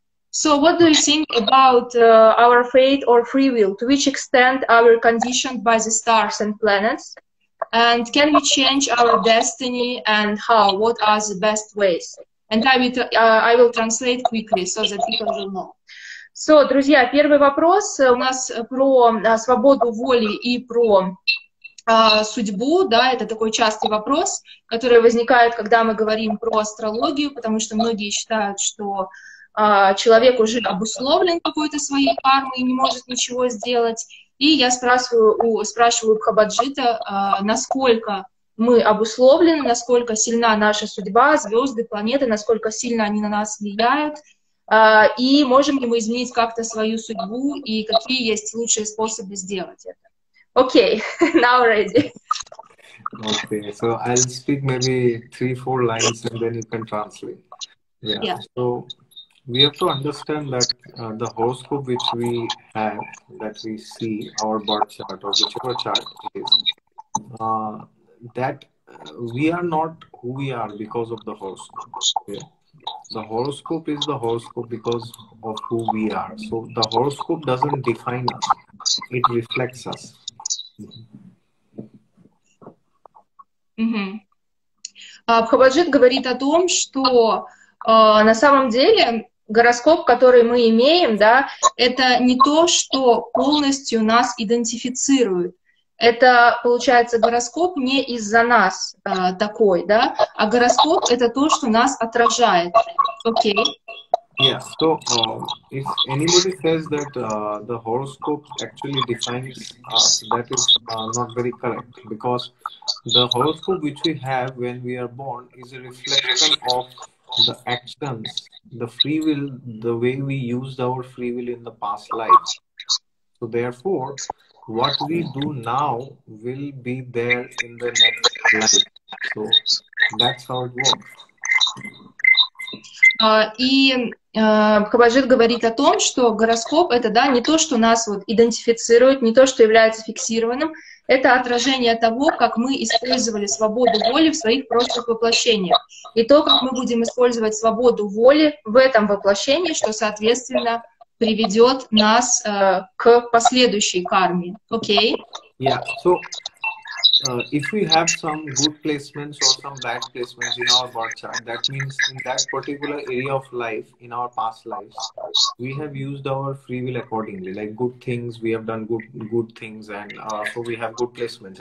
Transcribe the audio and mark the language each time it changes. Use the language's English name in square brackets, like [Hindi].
[English] So what do you think about our fate or free will? To which extent are we conditioned by the stars and planets? And can we change our destiny and how? What are the best ways? And I will translate quickly, so that people will know. [Russian] So, друзья, первый вопрос у нас про свободу воли и про судьбу, да, это такой частый вопрос, который возникает, когда мы говорим про астрологию, потому что многие считают, что человек уже обусловлен какой-то своей кармой и не может ничего сделать. И я спрашиваю Прабхаджита, насколько мы обусловлены, насколько сильна наша судьба, звезды, планеты, насколько сильно они на нас влияют, и можем ли мы изменить как-то свою судьбу, и какие есть лучшие способы сделать это. [English] Окей, now ready. Okay, so I'll speak maybe 3-4 lines and then you can translate. Yeah. So we have to understand that the horoscope which we have, that we see, our birth chart or whichever chart it is, that we are not who we are because of the horoscope. Okay? The horoscope is the horoscope because of who we are. So the horoscope doesn't define us. It reflects us. [Russian] Прабхаджит говорит о том, что на самом деле гороскоп, который мы имеем, да, это не то, что полностью нас идентифицирует. Это, получается, гороскоп не из-за нас такой, да, а гороскоп — это то, что нас отражает. Окей. [English] Okay. Yes, yeah, so if anybody says that the horoscope actually defines us, that is not very correct, because the horoscope which we have when we are born is a reflection of the actions, the free will, the way we used our free will in the past life. So therefore, what we do now will be there in the next life. So that's how it works. [Russian] И Прабхаджит говорит о том, что гороскоп — это, да, не то, что нас вот идентифицирует, не то, что является фиксированным. Это отражение того, как мы использовали свободу воли в своих прошлых воплощениях. И то, как мы будем использовать свободу воли в этом воплощении, что, соответственно, приведет нас к последующей карме. Окей? [English] Okay? Yeah. So, if we have some good placements or some bad placements in our birth chart, that means in that particular area of life, in our past lives, we have used our free will accordingly. Like good things, we have done good things, and so we have good placements.